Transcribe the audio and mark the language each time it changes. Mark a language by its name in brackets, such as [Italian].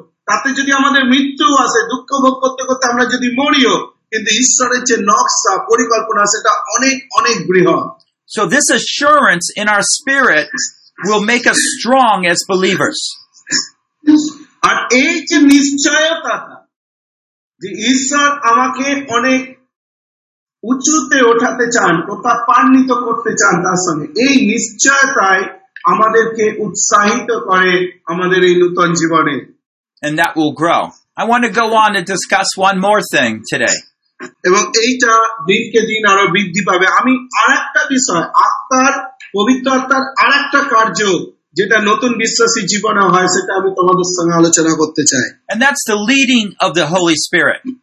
[Bangla] তাতে যদি আমাদের মৃত্যু আসে, দুঃখ ভোগ করতে করতে আমরা যদি মরিও, কিন্তু ঈশ্বরের যে নকশা পরিকল্পনা সেটা অনেক অনেক বৃহৎ। [English] So this assurance in our spirit will make us strong as believers. [Bangla] আর এই যে নিশ্চয়তা যে ঈশ্বর আমাকে অনেক উচ্চতে ওঠাতে চান, প্রতাপান্বিত করতে চান তার সঙ্গে, এই নিশ্চয়তাই আমাদেরকে উৎসাহিত করে আমাদের এই নূতন জীবনে। [English] And that will grow. I want to go on and discuss one more thing today. [Bangla] এবং এইটা দিনকে দিন আরো বৃদ্ধি পাবে। আমি আরেকটা বিষয় আত্মার পবিত্র আত্মার আরেকটা কার্য যেটা নতুন বিশ্বাসী জীবনে হয় সেটা আমি তোমাদের সঙ্গে আলোচনা করতে চাই। [English] And that's the leading of the Holy Spirit.